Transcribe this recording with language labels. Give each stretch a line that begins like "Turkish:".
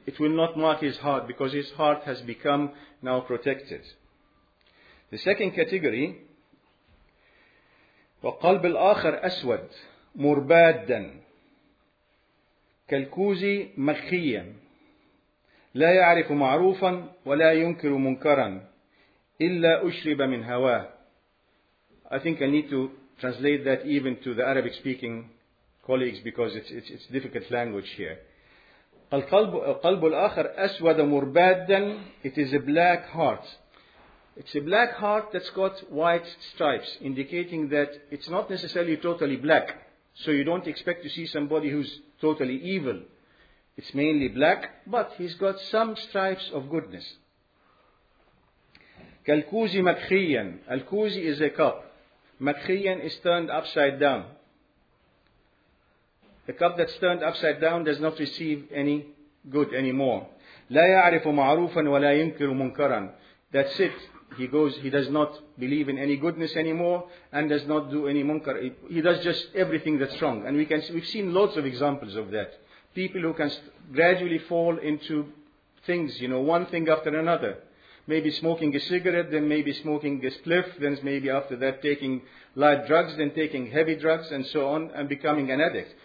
English: It will not mark his heart because his heart has become now protected. The second category,
Arabic: وقلب الآخر أسود مربادا كالكوزي مخيا. لا يعرف معروفا ولا ينكر منكرا إلا أشرب من هواه.
English: I think I need to translate that even to the Arabic speaking colleagues because it's difficult language here.
Arabic: القلب الآخر أسود مربادا.
English: It is a black heart. It's a black heart that's got white stripes, indicating that it's not necessarily totally black. So you don't expect to see somebody who's totally evil. It's mainly black, but he's got some stripes of goodness.
Arabic: كالكوزي مكخيا.
English: الكوزي is a cup. مكخيا is turned upside down. A cup that's turned upside down does not receive any good anymore.
Arabic: لا يعرف معروفا ولا ينكر منكرا.
English: That's it. He does not believe in any goodness anymore and does not do any munkar. He does just everything that's wrong. And we've seen lots of examples of that. People who can gradually fall into things, you know, one thing after another. Maybe smoking a cigarette, then maybe smoking a spliff, then maybe after that taking light drugs, then taking heavy drugs, and so on, and becoming an addict.